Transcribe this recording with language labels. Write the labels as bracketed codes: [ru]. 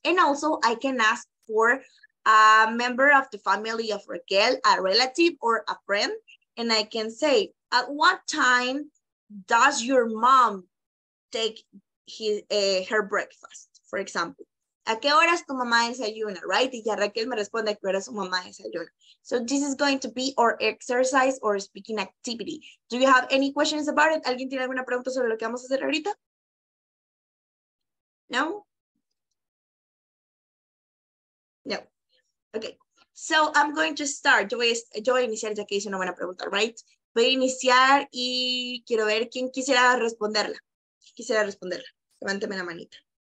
[en] And also I can ask for a member of the family of Raquel, a relative or a friend, and I can say, at what time does your mom take her breakfast, for example? [es] ¿A qué horas tu mamá desayuna, right? Y ya Raquel me responde, ¿a qué horas su mamá desayuna? [en] So this is going to be our exercise or speaking activity. Do you have any questions about it? [es] ¿Alguien tiene alguna pregunta sobre lo que vamos a hacer ahorita? No? [en] No. Okay. So I'm going to start. [es] Yo voy a iniciar ya que hice una buena pregunta, right? Voy a iniciar y quiero ver quién quisiera responderla. Quisiera responderla. Levánteme la manita.